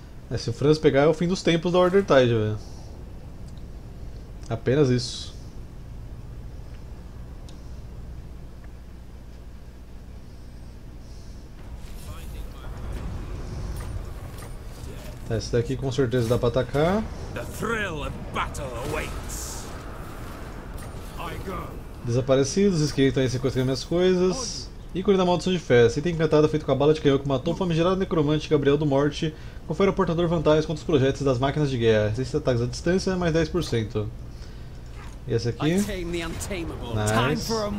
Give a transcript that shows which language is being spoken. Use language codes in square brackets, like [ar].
[pt] É, se o Franz pegar, é o fim dos tempos da Order Tide, velho. Apenas isso. Esse daqui com certeza dá pra atacar. [en] The thrill of battle awaits. I go. [pt] Desaparecidos, esqueleto aí sequestrando minhas coisas. Ícone da maldição de festa. Item encantado feito com a bala de canhão que matou o famigerado necromante Gabriel do Morte. Confere ao portador vantagens contra os projéteis das máquinas de guerra. Resistência ataques à distância, mais 10%. E esse aqui? Nice.